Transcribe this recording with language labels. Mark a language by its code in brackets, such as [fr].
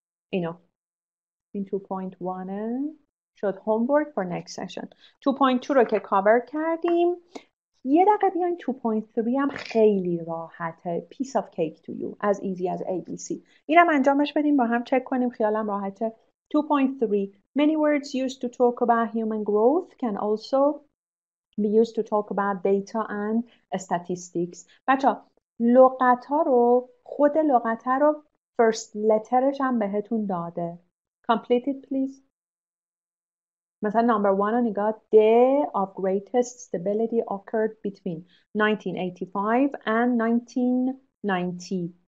[fa] اینو. این 2.1 شد [en] homework for next session. [fa] 2.2 رو که cover کردیم. یه دقیقه بیاین 2.3 هم خیلی راحته. [en] Piece of cake to you. As easy as ABC. [fa] این هم انجامش بدیم. با هم چک کنیم. خیالم راحته. 2.3. [en] Many words used to talk about human growth can also be used to talk about data and statistics. [fa] بچه ها لغت ها رو خود لغت ها رو [en] first letter [fa] ش هم بهتون داده. [en] Complete it please. مثلا number one [fa] رو نگاه. [en] Day of greatest stability occurred between 1985 and 1990.